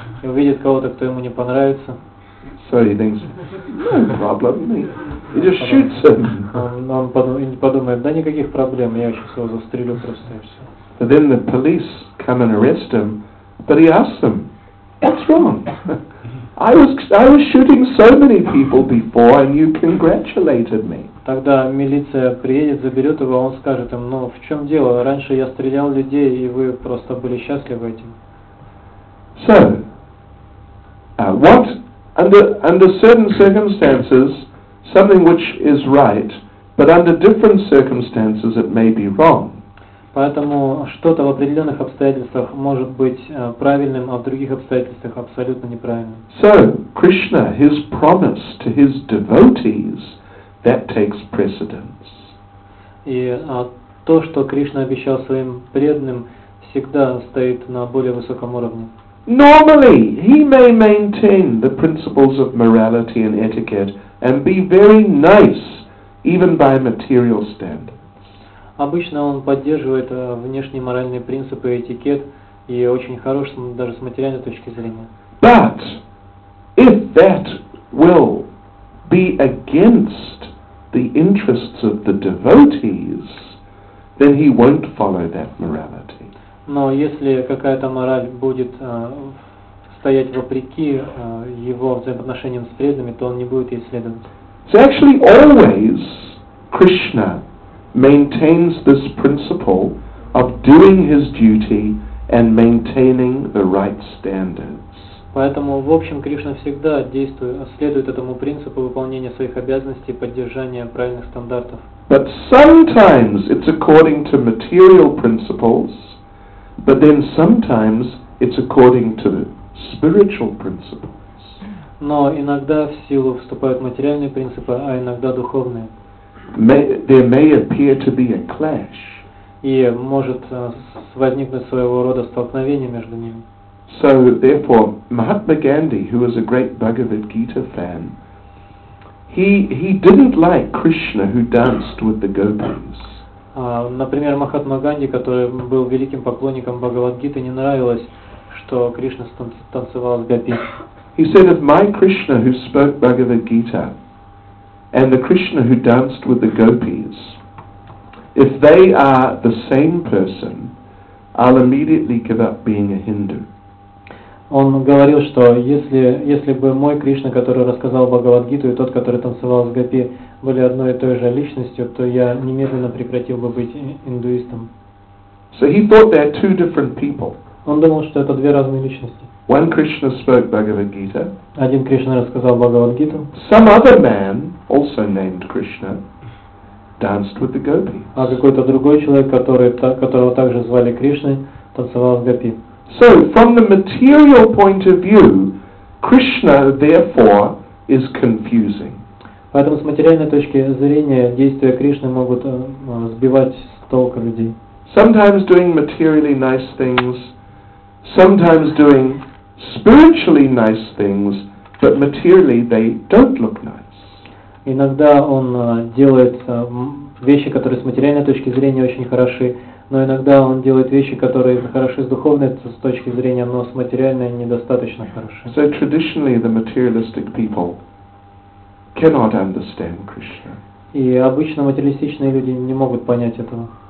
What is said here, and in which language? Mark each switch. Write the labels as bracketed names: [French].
[Russian] И увидит кого-то, кто ему не понравится. [English] So he thinks, no problem. He just shoots him. [Russian] Он подумает, да никаких проблем, я сейчас его застрелю просто и все. [English] But then the police come and arrest him, but he asks them, what's wrong? I was shooting so many people before, and you congratulated me. [Russian] Тогда милиция приедет, заберет его, он скажет им, ну в чем дело? Раньше я стрелял людей, и вы просто были счастливы этим. [English] So, what? Under certain circumstances, something which is right, but under different circumstances, it may be wrong. [Russian] Поэтому что-то в определенных обстоятельствах может быть правильным, а в других обстоятельствах абсолютно неправильным. [English] So, Krishna, his promise to his devotees, that takes precedence. [Russian] И то, что Кришна обещал своим преданным, всегда стоит на более высоком уровне. [English] Normally, he may maintain the principles of morality and etiquette and be very nice, even by material standards. [Russian] Обычно он поддерживает внешние моральные принципы и этикет и очень хорош даже с материальной точки зрения. [English] But if that will be against the interests of the devotees, then he won't follow that morality. [Russian] Но если какая-то мораль будет стоять вопреки его взаимоотношениям с преданными, то он не будет ей следовать. [English] So actually always Krishna maintains this principle of doing his duty and maintaining the right standards. [Russian] Поэтому, в общем, Кришна всегда следует этому принципу выполнения своих обязанностей, поддержания правильных стандартов. [English] But sometimes it's according to material principles. But then sometimes it's according to the spiritual principles. [Russian] Но иногда в силу вступают материальные принципы, а иногда духовные. [English] There may appear to be a clash. [Russian] И может возникнуть своего рода столкновение между ними. [English] So therefore, Mahatma Gandhi, who was a great Bhagavad Gita fan, he didn't like Krishna who danced with the gopis. [Russian] Например, Махатма Ганди, который был великим поклонником Бхагавадгиты, не нравилось, что Кришна танцевал с Гопи. [English] He said, if my Krishna who spoke Bhagavad Gita and the Krishna who danced with the gopis, if they are the same person, I'll immediately give up being a Hindu. [Russian] Он говорил, что если бы мой Кришна, который рассказал Бхагавадгиту, и тот, который танцевал с Гопи, были одной и той же личностью, то я немедленно прекратил бы быть индуистом. [English] So he thought they're two different people. [Russian] Он думал, что это две разные личности. [English] One Krishna spoke Bhagavad Gita. [Russian] Один Кришна рассказал Бхагавадгиту. [English] Some other man, also named Krishna, danced with the gopis. [Russian] А какой-то другой человек, которого также звали Кришной, танцевал с Гопи. [English] So, from the material point of view, Krishna, therefore, is confusing. [Russian] Поэтому с материальной точки зрения действия Кришны могут сбивать с толка людей. [English] Sometimes doing materially nice things, sometimes doing spiritually nice things, but materially they don't look nice. [Russian] Иногда он делает вещи, которые с материальной точки зрения очень хороши, но иногда он делает вещи, которые хороши с духовной с точки зрения, но с материальной недостаточно хороши. [English] So traditionally the materialistic people cannot understand Krishna. [Russian] И обычно материалистичные люди не могут понять этого.